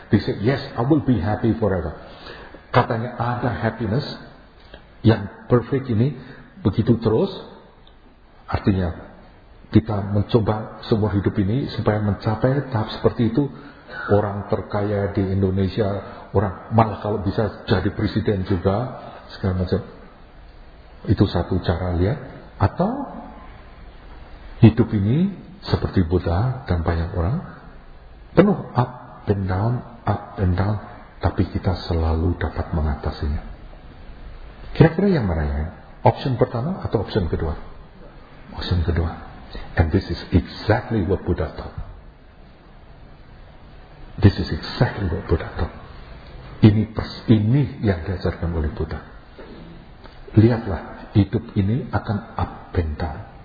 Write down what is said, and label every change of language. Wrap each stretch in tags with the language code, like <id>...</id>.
<en>They say yes, I will be happy forever.</en> <id>Katanya ada happiness yang perfect ini begitu terus, artinya kita mencoba semua hidup ini supaya mencapai tahap seperti itu. Orang terkaya di Indonesia, orang malah kalau bisa jadi presiden juga, segala macam. Itu satu cara lihat. Atau hidup ini seperti Buddha dan banyak orang, penuh</id> <en>up and down,</en> <id>tapi kita selalu dapat mengatasinya. Kira-kira yang mana ya? Option pertama atau option kedua? Option kedua.</id> <en>And this is exactly what Buddha taught. This is exactly what Buddha taught.</en> <id>Ini yang diajarkan oleh Buddha. Lihatlah, hidup ini akan</id> <en>up and down.</en>